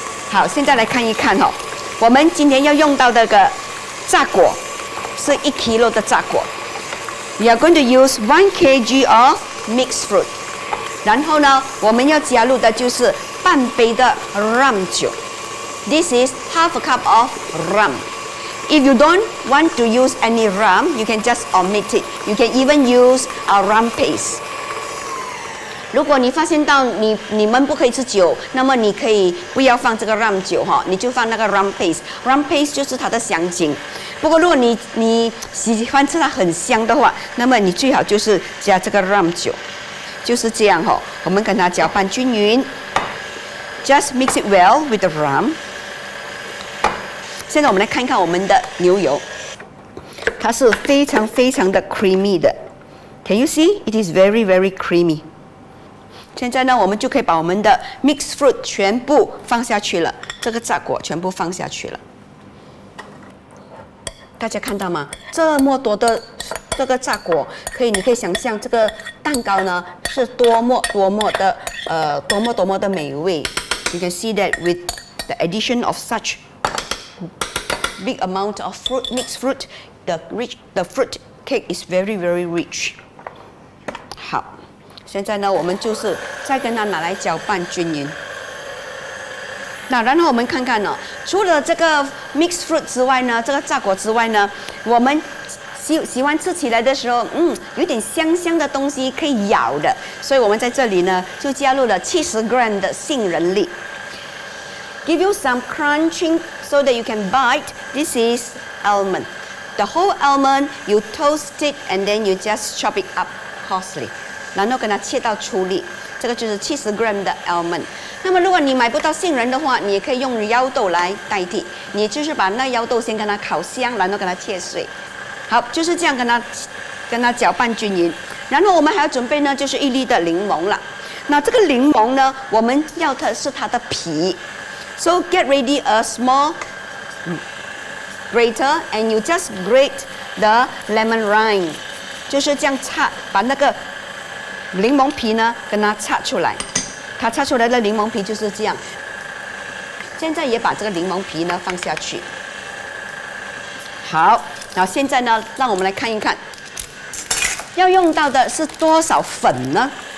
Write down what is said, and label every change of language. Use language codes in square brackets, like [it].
[zh] 好，现在来看一看，我们今天要用到的个榨果是一 kilo 的榨果。 [en] We are going to use 1 kg of mixed fruit. [zh] 然后呢，我们要加入的就是半杯的 rum 酒。 [en] This is half a cup of rum. If you don't want to use any rum, you can just omit it. You can even use a rum paste. [zh] 如果你发现到你们不可以吃酒，那么你可以不要放这个 rum 酒，你就放那个 rum paste. Rum paste 就是它的香精。不过如果你喜欢吃它很香的话，那么你最好就是加这个 rum 酒，就是这样，我们跟它搅拌均匀。 [en] Just mix it well with the rum. [zh] 现在我们来看一看我们的牛油，它是非常非常的 creamy 的。 [en] Can you see? It is very very creamy. [zh] 现在呢，我们就可以把我们的 mixed fruit 全部放下去了，这个榨果全部放下去了。大家看到吗？这么多的这个榨果，你可以想象这个蛋糕呢是多么的美味。 [en] You can see that with the addition of such big amount of fruit, mixed fruit, the fruit cake is very very rich. [zh] 好，现在呢，我们就是再跟它拿来搅拌均匀。那然后我们看看呢，除了这个 mixed fruit 之外呢，这个榨果之外呢，我们喜欢吃起来的时候，有点香香的东西可以咬的，所以我们在这里呢就加入了70 g 的杏仁粒。 [en] Give you some crunching so that you can bite. This is almond. The whole almond you toast it and then you just chop it up coarsely. [zh] 然后跟它切到粗粒，这个就是70 g 的 almond。那么如果你买不到杏仁的话，你也可以用腰豆来代替，你就是把那腰豆先跟它烤香，然后跟它切碎。好，就是这样跟它搅拌均匀。然后我们还要准备呢就是一粒的柠檬了。那这个柠檬呢，我们要的是它的皮。 [en] So get ready a small grater and you just grate the lemon rind. [zh] 就是这样擦，把那个柠檬皮呢跟它擦出来，它擦出来的柠檬皮就是这样。现在也把这个柠檬皮呢放下去。好，然后现在呢，让我们来看一看，要用到的是多少粉呢？